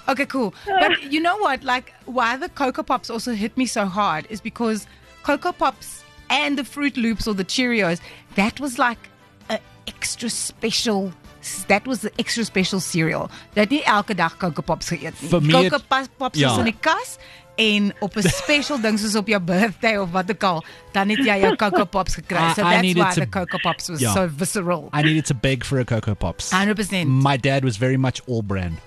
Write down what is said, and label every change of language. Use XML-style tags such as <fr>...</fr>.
<en>Okay, cool. But you know what? Like, why the Cocoa Pops also hit me so hard is because Cocoa Pops and the Fruit Loops or the Cheerios, that was like an extra special... That was the extra special cereal.</en> <af>Dat nie elke dag Cocoa Pops geëet.</af> <en>For me,</en> <af>Cocoa Pops is in die kas... En op 'n special ding soos op jou birthday of wat ook al, dan het jy jou Cocoa Pops gekry.</af> <en>So that's why the Cocoa Pops was so visceral. I needed to beg for a Cocoa Pops. 100%. My dad was very much all brand.</en>